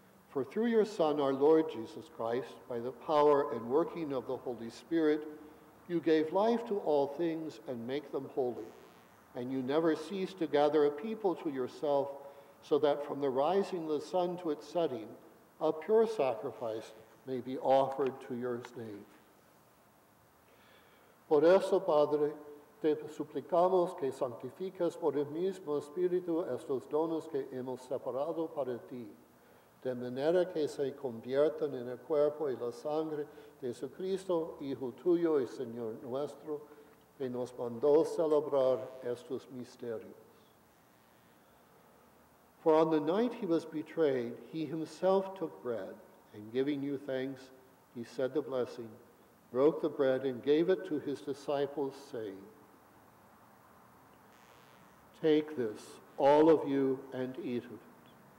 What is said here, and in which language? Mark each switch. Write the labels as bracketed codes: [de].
[en] For through your Son, our Lord Jesus Christ, by the power and working of the Holy Spirit, you gave life to all things and make them holy. And you never cease to gather a people to yourself, so that from the rising of the sun to its setting, a pure sacrifice may be offered to your name. [es] Por eso, Padre, te suplicamos que santifiques por el mismo Espíritu estos dones que hemos separado para ti, de manera que se conviertan en el cuerpo y la sangre de Jesucristo, Hijo tuyo y Señor nuestro, que nos mandó celebrar estos misterios. [en] For on the night he was betrayed, he himself took bread, and giving you thanks, he said the blessing, broke the bread, and gave it to his disciples, saying, take this, all of you, and eat it.